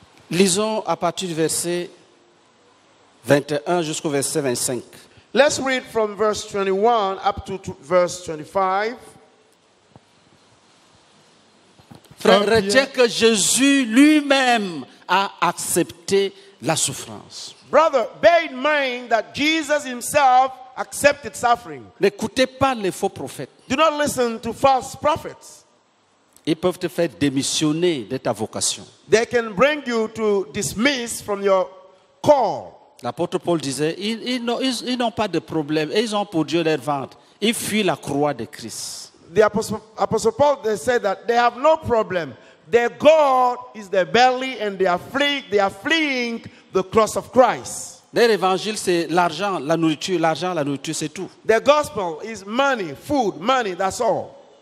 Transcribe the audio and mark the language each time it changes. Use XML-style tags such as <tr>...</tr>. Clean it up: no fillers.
<fr>Lisons à partir du verset 21 jusqu'au verset 25.</fr> <en>Let's read from verse 21 up to verse 25.</en> <fr>Frère, retiens que Jésus lui-même a accepté la souffrance.</fr> <en>Brother, bear in mind that Jesus himself accepted suffering.</en> <fr>N'écoutez pas les faux prophètes.</fr> <en>Do not listen to false prophets.</en> <fr>Ils peuvent te faire démissionner de ta vocation.</fr> <en>They can bring you to dismiss from your call.</en> <fr>L'apôtre Paul disait, ils n'ont pas de problème, ils ont pour Dieu leur ventre. Ils fuient la croix de Christ.</fr> <en>The apostle Paul, they said that they have no problem. Their God is their belly and they are fleeing the cross of Christ.</en> <fr>Leur évangile, c'est l'argent, la nourriture, c'est tout.</fr> <en>Their gospel is money, food, money, that's all.</en>